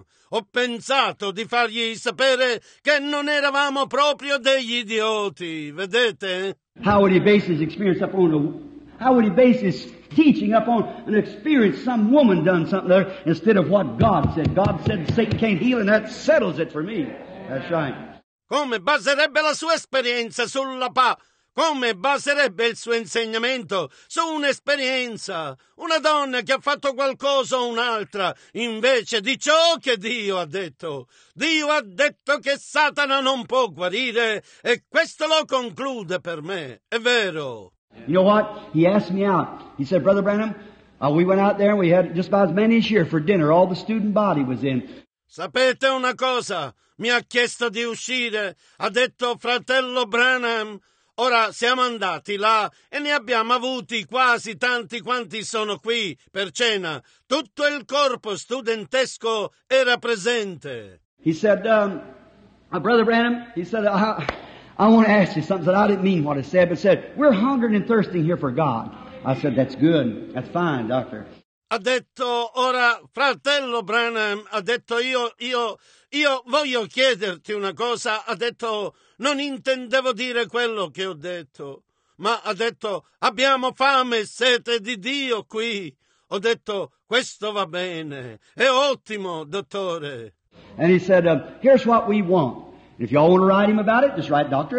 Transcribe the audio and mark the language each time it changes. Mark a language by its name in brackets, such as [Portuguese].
[Italian] Ho pensato di fargli sapere che non eravamo proprio degli idioti, vedete? [English] How would he base his experience upon a, how would he base his teaching upon an experience some woman done something there instead of what God said? God said Satan can't heal and that settles it for me. That's right. [Italian] Come baserebbe la sua esperienza sulla Come baserebbe il suo insegnamento su un'esperienza, una donna che ha fatto qualcosa o un'altra, invece di ciò che Dio ha detto? Dio ha detto che Satana non può guarire e questo lo conclude per me, è vero. [English] You know what? He asked me out. He said, Brother Branham, we went out there and we had just about as many as here for dinner. All the student body was in. [Italian] Sapete una cosa? Mi ha chiesto di uscire. Ha detto, fratello Branham, ora siamo andati là e ne abbiamo avuti quasi tanti quanti sono qui per cena. Tutto il corpo studentesco era presente. [English] He said, Brother Branham, he said, I want to ask you something. I said, I didn't mean what I said, but said, we're hungering and thirsting here for God. I said, that's good. That's fine, doctor. [Italian] Ha detto, ora, fratello Branham, ha detto, io voglio chiederti una cosa. Ha detto, non intendevo dire quello che ho detto, ma ha detto, abbiamo fame e sete di Dio qui. Ho detto, questo va bene, è ottimo, dottore. [English] And he said, here's what we want. If y'all want to write him about it, just write Dr.